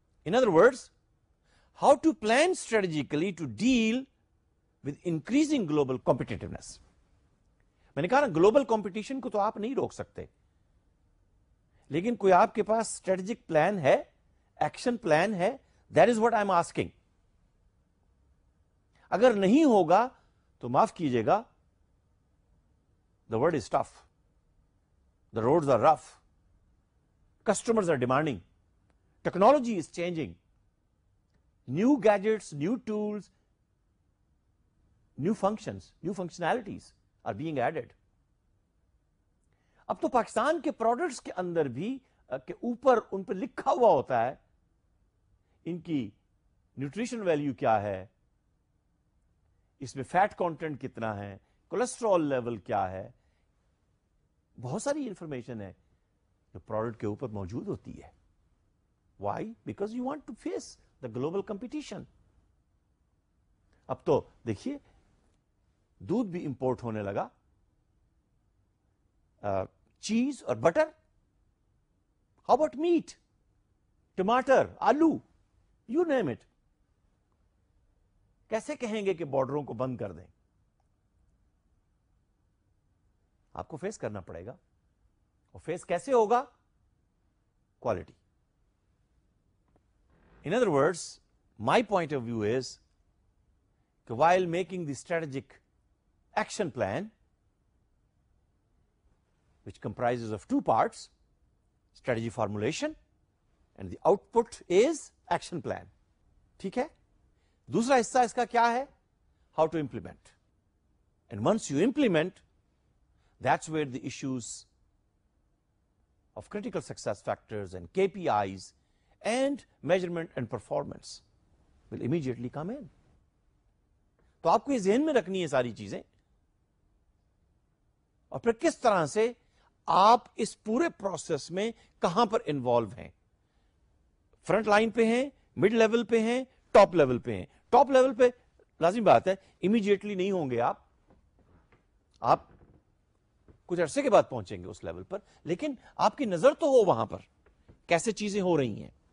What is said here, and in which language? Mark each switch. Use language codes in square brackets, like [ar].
[en] In other words, how to plan strategically to deal with increasing global competitiveness? [ur] میں نے کہا نا, global competition کو تو آپ نہیں روک سکتے, لیکن کوئی آپ کے پاس اسٹریٹجک پلان ہے, ایکشن پلان ہے؟ [en] That is what I am asking. [ur] اگر نہیں ہوگا تو معاف کیجیے گا, [en] the world is tough, the roads are rough, customers are demanding, technology is changing, new gadgets, new tools, new functions, new functionalities are being added. [ur] اب تو پاکستان کے products کے اندر بھی کے اوپر ان پہ لکھا ہوا ہوتا ہے ان کی نیوٹریشن ویلیو کیا ہے, اس میں فیٹ کانٹینٹ کتنا ہے, کولیسٹرول لیول کیا ہے, بہت ساری انفارمیشن ہے پروڈکٹ کے اوپر موجود ہوتی ہے. [en] Why? Because you want to face the global competition. [ur] اب تو دیکھیے دودھ بھی امپورٹ ہونے لگا, چیز اور بٹر, ہاؤ اباؤٹ میٹ, ٹماٹر, آلو, [en] You name it. [ur] کیسے کہیں گے کہ بارڈروں کو بند کر دیں؟ آپ کو فیس کرنا پڑے گا, اور فیس کیسے ہوگا؟ Quality. [en] In other words, my point of view is, while making the strategic action plan, which comprises of two parts, strategy formulation, and the output is action plan. [ur] ٹھیک ہے؟ دوسرا حصہ اس کا کیا ہے؟ [en] How to implement. And once you implement, that's where the issues of critical success factors and KPIs and measurement and performance will immediately come in. [ur] تو آپ کو یہ ذہن میں رکھنی ہے ساری چیزیں, اور پھر کس طرح سے آپ اس پورے پروسیس میں کہاں پر انوالو ہیں, فرنٹ لائن پہ ہیں, مڈ لیول پہ ہیں, ٹاپ لیول پہ ہیں. ٹاپ لیول پہ لازمی بات ہے امیڈیٹلی نہیں ہوں گے آپ, آپ کچھ عرصے کے بعد پہنچیں گے اس لیول پر, لیکن آپ کی نظر تو ہو وہاں پر کیسے چیزیں ہو رہی ہیں.